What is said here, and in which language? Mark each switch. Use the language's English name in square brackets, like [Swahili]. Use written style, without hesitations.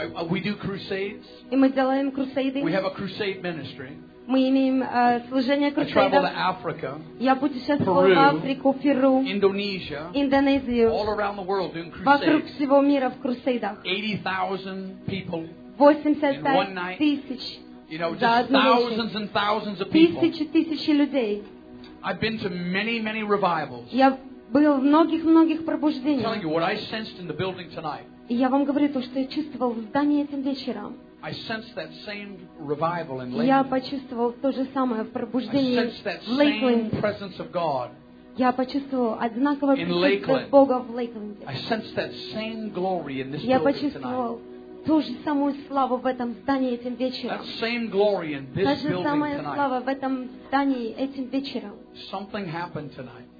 [English] We do crusades. [Russian] И мы делаем крусейды. [English] We have a crusade ministry. [Russian] Мы имеем служение крусейдов. [English] I travel to Africa. [Russian] Я путешествовал в Африку, Перу, Индонезия, Индонезию. [English] All around the world doing crusades. [Russian] Вокруг всего мира в крусейдах. [English] 80,000 people. [Russian] 85 тысяч. [English] You know, just thousands and thousands of people. [Russian] Тысячи тысячи людей. [English] I've been to many many revivals. [Russian] Я был в многих многих пробуждениях. [English] I'm telling you what I sensed in the building tonight. [Russian] И я вам говорю то, что я чувствовал в здании этим вечером. [English] I sensed that same revival in Lakeland. [Russian] Я почувствовал то же самое в пробуждении [English] Lakeland. I sensed that same presence of God. [Russian] Я почувствовал одинаковое присутствие Бога в Лейкленде. [English] I sensed that same glory in this building tonight. [Russian] Я почувствовал ту же самую славу в этом здании этим вечером. [English] That same glory in this building tonight. [Russian] Та же самая слава в этом здании этим вечером. [English] Something happened tonight.